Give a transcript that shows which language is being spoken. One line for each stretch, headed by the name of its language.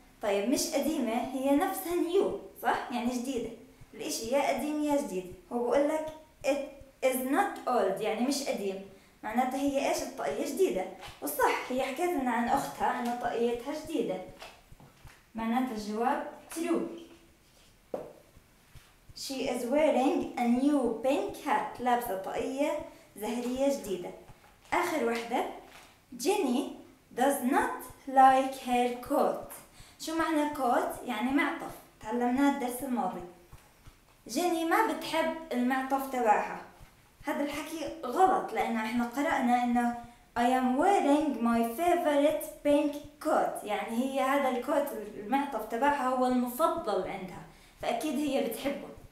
Arabic: طيب مش قديمة هي نفسها new، صح؟ يعني جديدة. الاشي يا قديم يا جديد. هو بقول لك
English: it is not old
Arabic: يعني مش قديم، معناتها هي ايش؟ الطاقية جديدة. وصح، هي حكيت لنا عن اختها ان طاقيتها جديدة، معناتها الجواب true.
English: She is wearing a new pink hat.
Arabic: لابسة طاقية زهرية جديدة. آخر واحدة،
English: Jenny does not like her coat.
Arabic: شو معنى coat؟ يعني معطف، تعلمناه الدرس الماضي. Jenny ما بتحب المعطف تبعها. هذا الحكي غلط لأنه إحنا قرأنا إنه
English: I am wearing my favorite pink coat.
Arabic: يعني هي هذا الكوت المعطف تبعها هو المفضل عندها، فأكيد هي بتحبه.